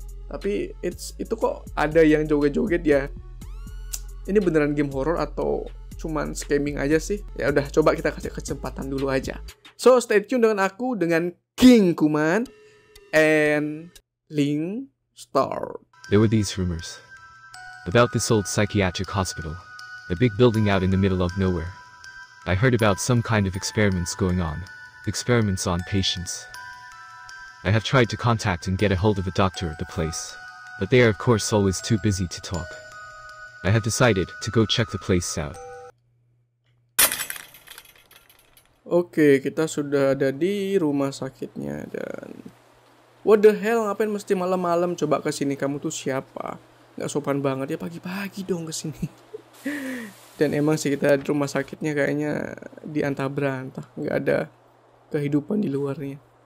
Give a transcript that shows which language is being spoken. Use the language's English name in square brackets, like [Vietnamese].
[Indonesian] Tapi itu kok ada yang joget-joget ya, ini beneran game horror atau cuman scamming aja sih? Ya udah coba kita kasih kesempatan dulu aja. [English] So stay tune [Indonesian] dengan aku, dengan King Kuman and Link Star. [English] There were these rumors about this old psychiatric hospital, a big building out in the middle of nowhere. I heard about some kind of experiments going on. Experiments on patients. I have tried to contact and get a hold of a doctor at the place, but they are of course always too busy to talk. I have decided to go check the place out. [Indonesian] Oke, kita sudah ada di rumah sakitnya dan... [English] What the hell, [Indonesian] ngapain mesti malam-malam coba kesini? Kamu tuh siapa? Gak sopan banget ya, pagi-pagi dong kesini. Dan emang sih kita di rumah sakitnya kayaknya diantah berantah, gak ada kehidupan di luarnya.